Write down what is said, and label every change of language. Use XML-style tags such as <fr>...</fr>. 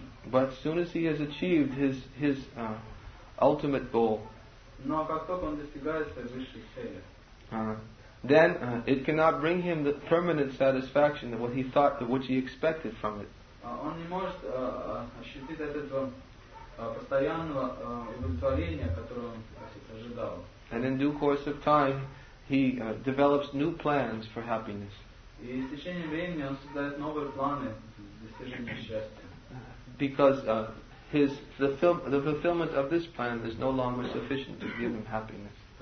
<en>But as soon as he has achieved his ultimate goal.</en> <ru>Но как только он достигает своей высшей цели,</ru> <en>then it cannot bring him the permanent satisfaction that what he thought that which he expected from it.</en> <ru>Он не может ощутить этого постоянного удовлетворения, которого он ожидал.</ru> <en>And in due course of time, he develops new plans for happiness.</en> <ru>И с течением времени он создает новые планы достижения счастья.</ru> <en>Because the fulfillment of this plan is no longer sufficient to give him happiness.</en>